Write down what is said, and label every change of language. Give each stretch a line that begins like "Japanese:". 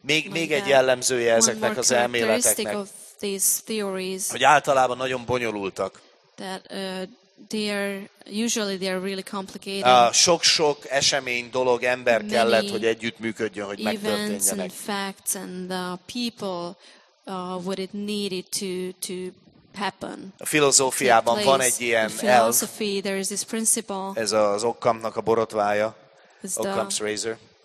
Hungarian: Még egy jellemzője ezeknek az elméleteknek.
English: Of these theories,
Hungarian: hogy általában nagyon bonyolultak.
English: They are really complicated.
Hungarian: Sok-sok esemény, dolog, ember many kellett, hogy együttműködjön, hogy
English: events
Hungarian: megtörténjenek.
English: And facts and people would it needed to happen.
Hungarian: A filozófiában van egy ilyen elv.
English: There is this principle.
Hungarian: Ez az Occamnak a borotvája. Occam's razor.